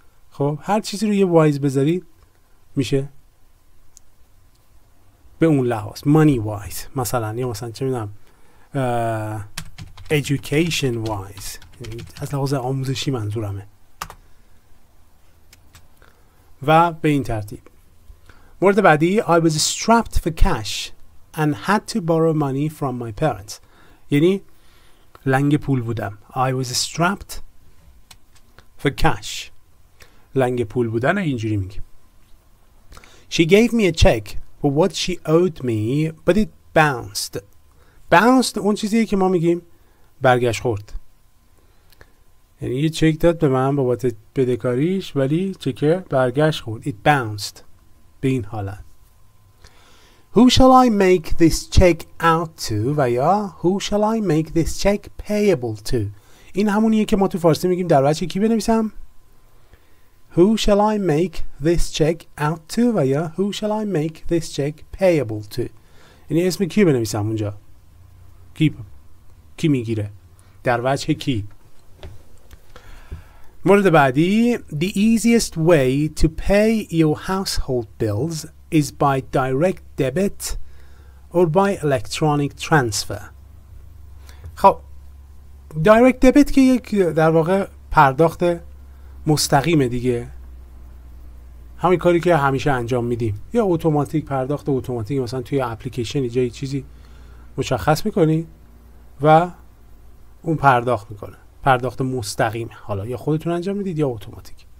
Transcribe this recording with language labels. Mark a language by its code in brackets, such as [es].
[fa] خب هر چیزی رو یه wise بذارید میشه به اون لحاظ money wise، مثلا، یا مثلا چه میدونم education wise، از لحاظ آموزشی منظورمه، و به این ترتیب. مورد بعدی، [en] I was strapped for cash and had to borrow money from my parents، [fa] یعنی لنگ پول بودم. [en] I was strapped for cash، [fa] لنگ پول بودن، اینجوری میگیم. [en] She gave me a check for what she owed me but it bounced. [fa] Bounced اون چیزیه که ما میگیم برگش خورد، یعنی یه چک داد به من بابت بدهکاریش ولی چکه برگش خورد. [en] It bounced. [fa] به این حالت. [en] Who shall I make this check out to؟ [fa] و یا [en] Who shall I make this check payable to؟ [fa] این همونیه که ما تو فارسی میگیم در وجه کی بنویسم. [en] Who shall I make this check out to؟ [fa] و یا [en] Who shall I make this check payable to؟ [fa] یعنی اسم کی بنویسم اونجا، کی میگیره، در وجه کی. مورد بعدی، [en] The easiest way to pay your household bills is by direct debit or by electronic transfer. [fa] خب direct debit که یک در واقع پرداخت مستقیمه دیگه، همین کاری که همیشه انجام میدیم، یا اوتوماتیک، پرداخت اوتوماتیک، مثلا توی اپلیکیشن جایی چیزی مشخص میکنی و اون پرداخت میکنه، پرداخت مستقیم، حالا یا خودتون انجام میدید یا اوتوماتیک.